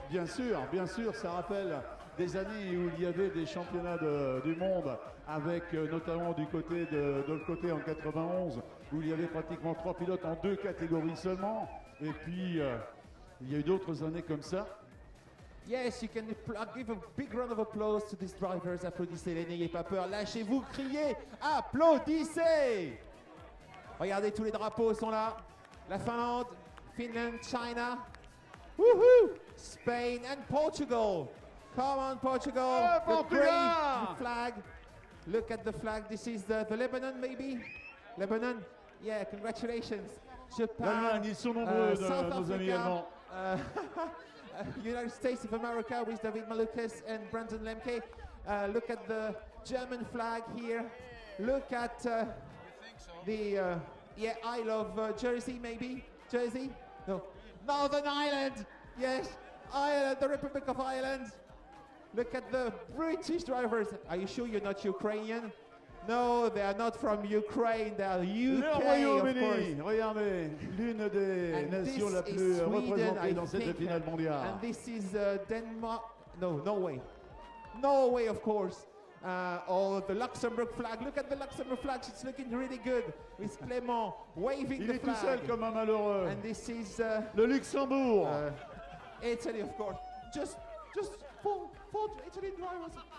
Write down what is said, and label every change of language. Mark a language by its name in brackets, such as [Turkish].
[French] Mais bien sûr, ça rappelle des années où il y avait des championnats du monde, avec notamment du côté de l'autre côté en 91, où il y avait pratiquement trois pilotes en deux catégories seulement, et puis il y a eu d'autres années comme ça. [English] Yes, you can give a big round of applause to these drivers. [French] Applaudissez-les, n'ayez pas peur, lâchez-vous, criez, applaudissez! Regardez, tous les drapeaux sont là. La Finlande, [English] Finland, China, woohoo, Spain and Portugal. Come on, Portugal, the great flag. Look at the flag, this is the Lebanon, maybe? Lebanon? Yeah, congratulations. [French] Japan, ils sont nombreux, South Africa. [English] United States of America with David Malukas and Brandon Lemke. Look at the German flag here. Look at Isle of Jersey, maybe. Jersey? No. Northern Ireland! Yes, Ireland, the Republic of Ireland. Look at the British drivers. Are you sure you're not Ukrainian? No, they are not from Ukraine, they are UK, of course. [French] Regardez, l'une des nations la plus représentée dans cette finale mondiale. [English] And this is Denmark, no, Norway. Norway, of course. Oh, the Luxembourg flag, look at the Luxembourg flag, it's looking really good. With Clément waving the flag. [French] Il est tout seul comme un malheureux. [English] And this is... [French] Le Luxembourg. [English] Italy, of course. Just four Italy drivers.